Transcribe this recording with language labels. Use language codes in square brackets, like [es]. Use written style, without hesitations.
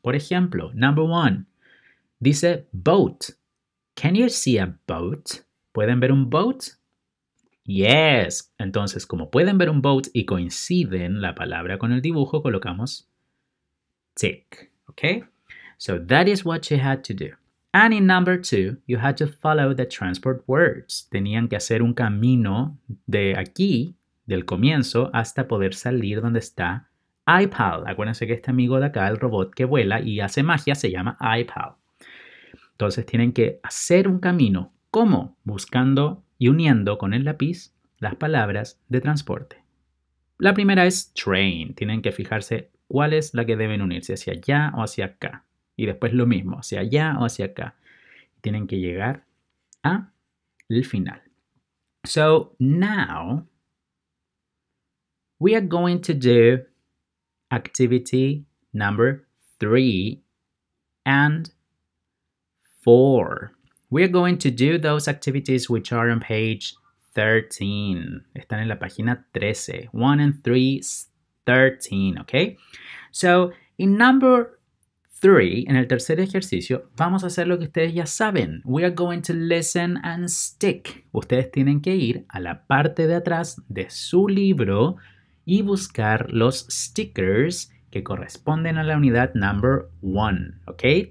[es] Por ejemplo, [en] number one, [es] dice boat. [en] Can you see a boat? [es] ¿Pueden ver un boat? [en] Yes. [es] Entonces, como pueden ver un boat y coinciden la palabra con el dibujo, colocamos tick. [en] Okay? So that is what you had to do. And in number two, you had to follow the transport words. [es] Tenían que hacer un camino de aquí, del comienzo, hasta poder salir donde está iPal. Acuérdense que este amigo de acá, el robot que vuela y hace magia, se llama iPal. Entonces tienen que hacer un camino. ¿Cómo? Buscando y uniendo con el lápiz las palabras de transporte. La primera es train. Tienen que fijarse cuál es la que deben unirse, hacia allá o hacia acá. Y después lo mismo, hacia allá o hacia acá. Tienen que llegar al final. [en] So now, we are going to do activity number 3 and 4. We are going to do those activities which are on page 13. [es] Están en la página 13. [en] 1 and 3, 13, okay? So, in number 3, [es] en el tercer ejercicio, vamos a hacer lo que ustedes ya saben. [en] We are going to listen and stick. [es] Ustedes tienen que ir a la parte de atrás de su libro y buscar los stickers que corresponden a la unidad number 1, okay?